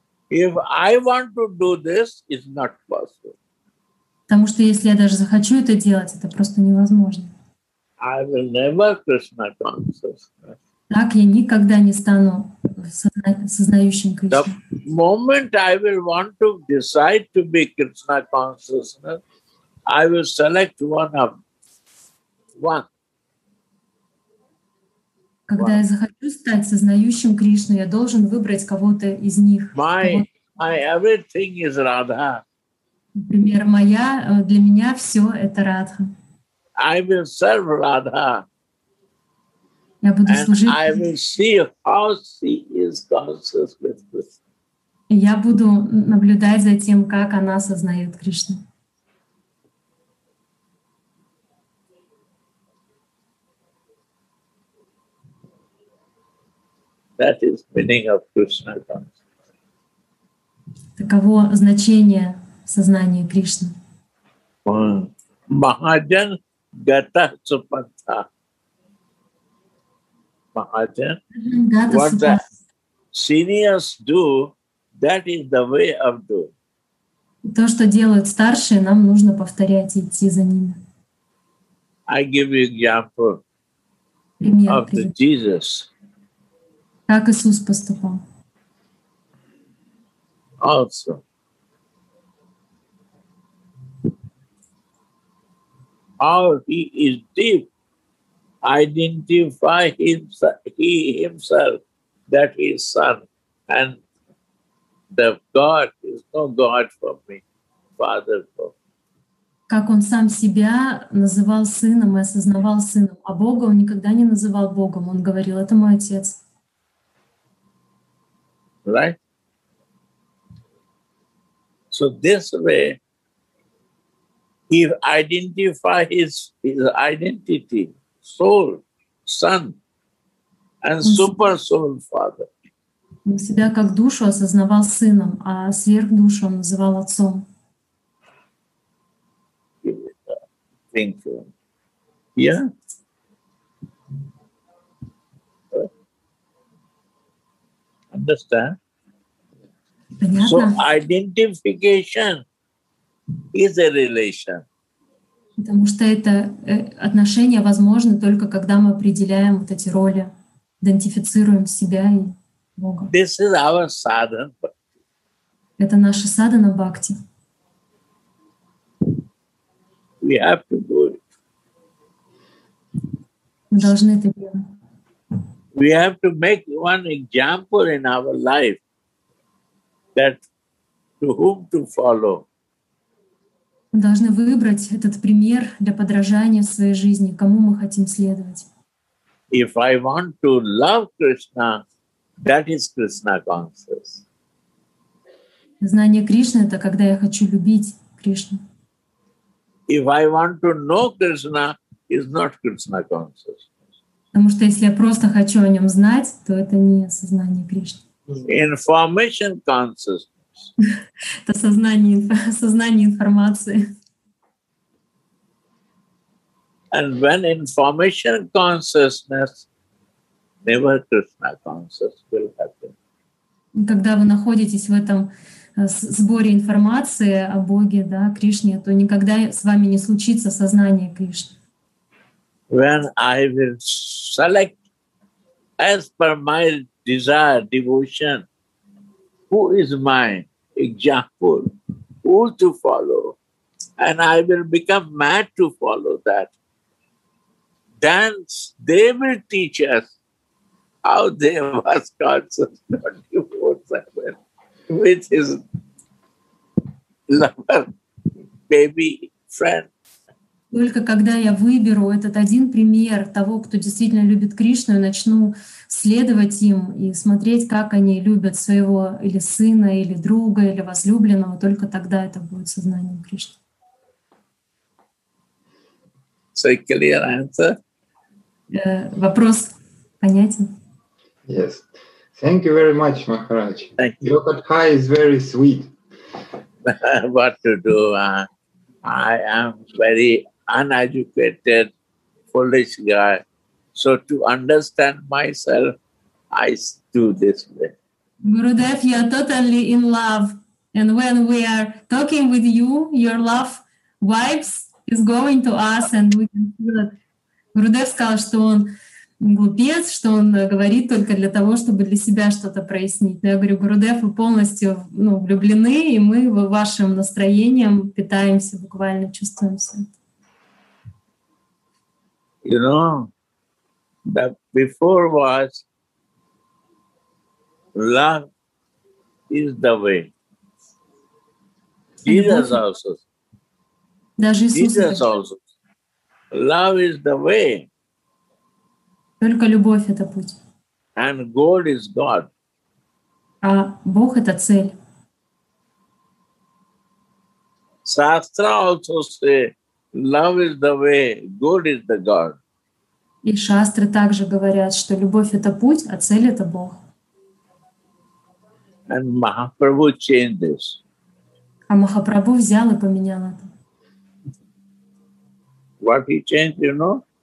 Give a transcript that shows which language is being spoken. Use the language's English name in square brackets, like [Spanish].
[English] If I want to do this, it's not possible. [Russian] Потому что если я даже захочу это делать, это просто невозможно. [English] I will never Krishna consciousness. [Russian] Так я никогда не стану сознающим Кришну. [English] The moment I will want to decide to be Krishna consciousness, I will select one. [Russian] Когда я захочу стать сознающим Кришну, я должен выбрать кого-то из них. [English] My everything is Radha. [Russian] Например, моя для меня все это Радха. [English] I will serve Radha. [Russian] Я буду [English] and [Russian] служить. [English] I will see how she is conscious with this. [Russian] Я буду наблюдать за тем, как она сознает Кришну. [English] That is meaning of Krishna consciousness. [Russian] Таково значение сознания Кришны. [Sanskrit] Mahajan gata supatha. Mahajan. [English] What the seniors do, that is the way of doing. [Russian] То, что делают старшие, нам нужно повторять и идти за ними. [English] I give you example of the Jesus. [Russian] Как Иисус поступал? [English] Also. How he is deep, identify himself that he is son and the God is no God for me, Father for me. [Russian] Как он сам себя называл сыном и осознавал сыном, а Бога он никогда не называл Богом. Он говорил, это мой отец. [English] Right. So this way, he identifies his identity, soul, son, and super soul father. [Russian] Он себя как душу осознавал сыном, а сверхдушу он называл отцом. [English] Thank you. Yeah. Understand? [Russian] Понятно. [English] So identification is a relation. [Russian] Потому что это отношение возможно только когда мы определяем вот эти роли, идентифицируем себя и Бога. [English] This is our sadhana bhakti. [Russian] Это наша садхана бхакти. [English] We have to do it. [Russian] Мы должны это делать. [English] We have to make one example in our life. That to whom to follow. [Russian] Мы должны выбрать этот пример для подражания в своей жизни, кому мы хотим следовать. [English] If I want to love Krishna, that is Krishna consciousness. [Russian] Знание Кришны — это когда я хочу любить Кришну. [English] If I want to know Krishna, it's not Krishna consciousness. [Russian] Потому что если я просто хочу о нем знать, то это не сознание Кришны. [English] Information consciousness. [Russian] Это сознание информации. [English] And when information consciousness, never Krishna consciousness will happen. [Russian] Когда вы находитесь в этом сборе информации о Боге, да, Кришне, то никогда с вами не случится сознание Кришны. [English] When I will select as per my desire, devotion, who is my example, who to follow, and I will become mad to follow that. Then they will teach us how they was conscious 24/7 with his lover, baby friend. [Russian] Только когда я выберу этот один пример того, кто действительно любит Кришну, и начну следовать им и смотреть, как они любят своего или сына, или друга, или возлюбленного, только тогда это будет сознанием Кришны. [English] So, clear answer? [Russian] Вопрос понятен? [English] Yes. Thank you very much, Maharaj. Thank you. Your katha is very sweet. What to do? I am very uneducated, foolish guy. So to understand myself, I do this way. Gurudev, you are totally in love. And when we are talking with you, your love vibes is going to us and we can feel that. [Russian] Gurudev сказал, что он глупец, что он говорит только для того, чтобы для себя что-то прояснить. Но я говорю, Гурудев, вы полностью влюблены, и мы вашим настроением питаемся, буквально чувствуемся. [English] You know, that before was love is the way. Jesus also. Jesus also. Love is the way. [Russian] Только любовь — это путь. [English] And goal is God. [Russian] А Бог — это цель. [English] Shastra also say, love is the way, goal is the God. [Russian] И шастры также говорят, что любовь — это путь, а цель — это Бог. [English] And Mahaprabhu changed this. [Russian] А Махапрабху взял и поменял это. [English] What he changed, you know?